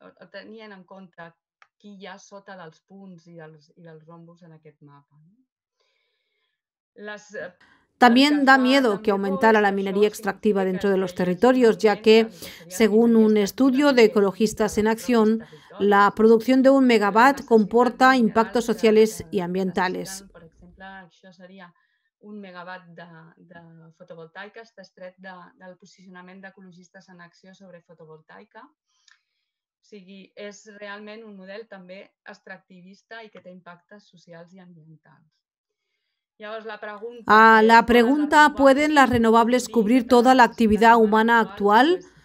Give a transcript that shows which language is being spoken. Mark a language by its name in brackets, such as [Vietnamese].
[Spanish] Tenían en cuenta quién ya sota de los puntos y de los rombos en aquel mapa. También da miedo que aumentara la minería extractiva dentro de los territorios, ya que, según un estudio de Ecologistas en Acción, la producción de un megawatt comporta impactos sociales y ambientales. Por ejemplo, [Catalan] això seria un megawatt de fotovoltaica, està estret del posicionament d'Ecologistes en Acció sobre fotovoltaica. O sigui, és realment un model també extractivista i que té impactes socials i ambientals. [Spanish] A la pregunta, ¿pueden las renovables cubrir toda la actividad humana actual?